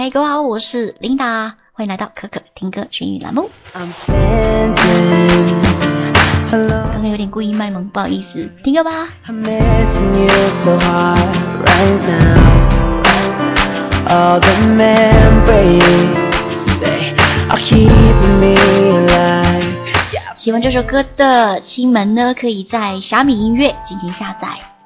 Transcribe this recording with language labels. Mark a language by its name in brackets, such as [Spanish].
[Chinese] 嗨，各位好，我是琳达，欢迎来到可可听歌全语栏目。刚刚有点故意卖萌，不好意思，听歌吧。 [English] I'm missing you so hard right now. All the memories they are keeping me alive. [Chinese] 喜欢这首歌的亲们呢，可以在虾米音乐进行下载。